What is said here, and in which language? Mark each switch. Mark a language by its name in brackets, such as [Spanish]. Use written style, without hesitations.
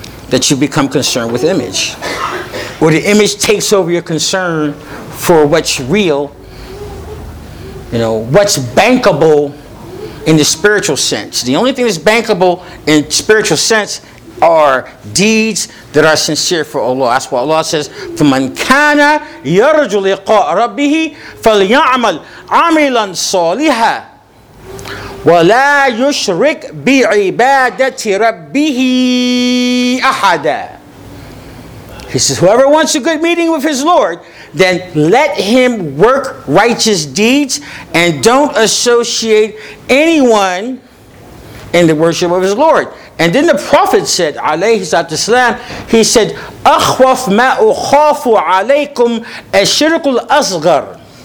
[English] That you become concerned with image. Or the image takes over your concern for what's real. You know, what's bankable in the spiritual sense. The only thing that's bankable in spiritual sense are deeds that are sincere for Allah. That's what Allah says, [Arabic] فَمَنْ كَانَ يَرْجُ لِقَاءَ رَبِّهِ فَلْيَعْمَلْ عَمِلًا صَالِحًا وَلَا يُشْرِكْ بِعِبَادَةِ رَبِّهِ أَحَدًا. [English] He says, whoever wants a good meeting with his Lord, then let him work righteous deeds and don't associate anyone in the worship of his Lord. And then the Prophet said, alayhi salatu wasalam, he said, [Arabic] أخوف ما أخاف عليكم الشرك الأصغر.